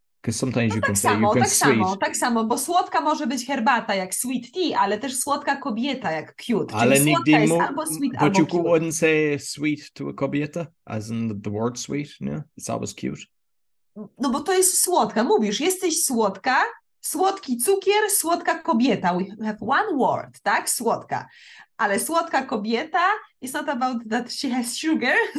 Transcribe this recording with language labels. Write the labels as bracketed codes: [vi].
[en] Because sometimes you can say you can sweet. [pl] Tak samo, bo słodka może być herbata jak [en] sweet tea, [pl] ale też słodka kobieta jak cute. Ale czyli nigdy słodka jest albo sweet, [en] but [pl] albo cute. [en] But you wouldn't say sweet to a kobieta, as in the word sweet, no? It's always cute. [pl] No bo to jest słodka, mówisz, jesteś słodka, słodki cukier, słodka kobieta. [en] We have one word, tak? Słodka. [pl] Ale słodka kobieta, [en] it's not about that she has sugar.